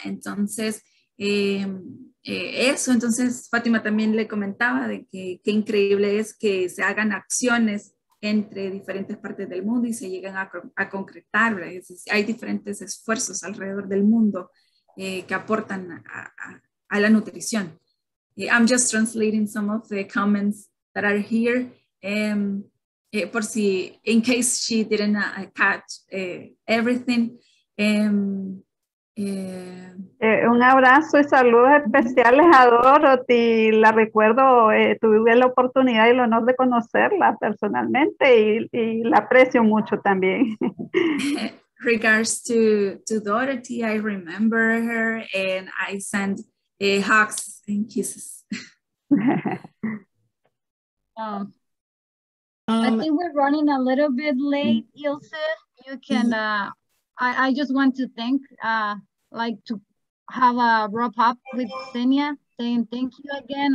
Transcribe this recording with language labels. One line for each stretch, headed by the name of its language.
Spanish: Entonces, entonces Fátima también le comentaba de que qué increíble es que se hagan acciones entre diferentes partes del mundo y se lleguen a concretar, ¿verdad? Es decir, hay diferentes esfuerzos alrededor del mundo que aportan a la nutrición.
English: I'm just translating some of the comments that are here,
Spanish: por si,
English: in case she didn't catch everything.
Spanish: Un abrazo y saludos especiales a Dorothy. La recuerdo, tuve la oportunidad y el honor de conocerla personalmente y la aprecio mucho también.
English: Regards to Dorothy, I remember her and I send hugs and kisses. I think we're running a little bit late, Ilse. You can, I just want to thank, like to have a wrap up with Xenia, saying thank you again.